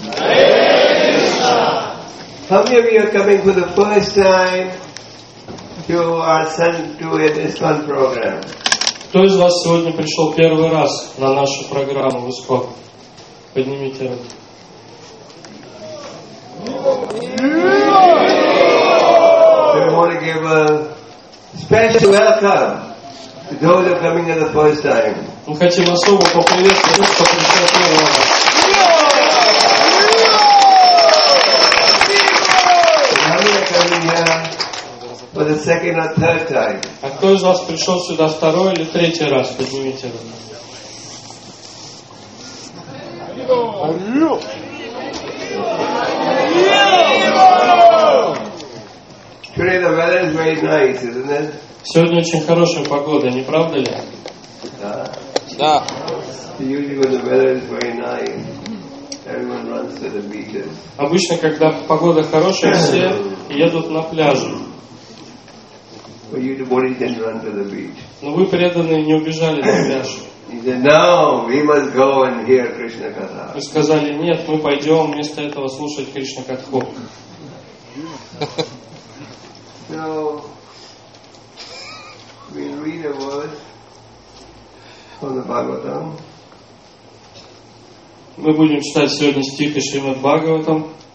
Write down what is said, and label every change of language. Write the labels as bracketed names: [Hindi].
[English] How many of you are coming for the first time to our ISKCON program? [Russian] Кто из вас сегодня пришел первый раз на нашу программу в ISKCON? Поднимите руку. [English] We want to give a special welcome to those who are coming for the first time. [Russian] Мы хотим особо поприветствовать тех, кто пришел первый раз. [English] For the second or third time. [Russian] А кто из вас пришел сюда второй или третий раз? Поднимите руку. [English] Today the weather is very nice, isn't it? [Russian] Сегодня очень хорошая погода, не правда ли? Да. [English] Usually when the weather is very nice, everyone runs to the beaches. [Russian] Обычно, когда погода хорошая, все едут на пляж. [English] But you devotees didn't run to the beach. [Russian] Но вы преданные не убежали на пляж. [English] He said, "No, we must go and hear Krishna Katha." [Russian] Вы сказали, нет, мы пойдем вместо этого слушать Кришна Катху. [English] So we read a verse from the Bhagavatam. [Russian] Мы будем читать сегодня стих из Шримад Бхагаватам.